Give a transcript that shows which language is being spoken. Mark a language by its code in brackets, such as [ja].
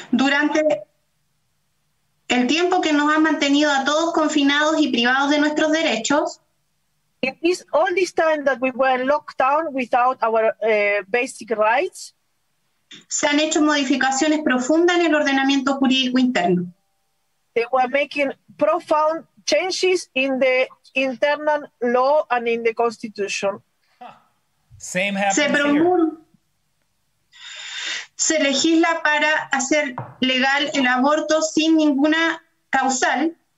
[es] Durante el tiempo que nos ha mantenido a todos confinados y privados de nuestros derechos. [en] It is all this time that we were locked down without our basic rights. [es] Se han hecho modificaciones profundas en el ordenamiento jurídico interno. [en] They were making profound changes in the internal law and in the constitution. Same happens here. [es] Se legisla para hacer legal el aborto sin ninguna causal.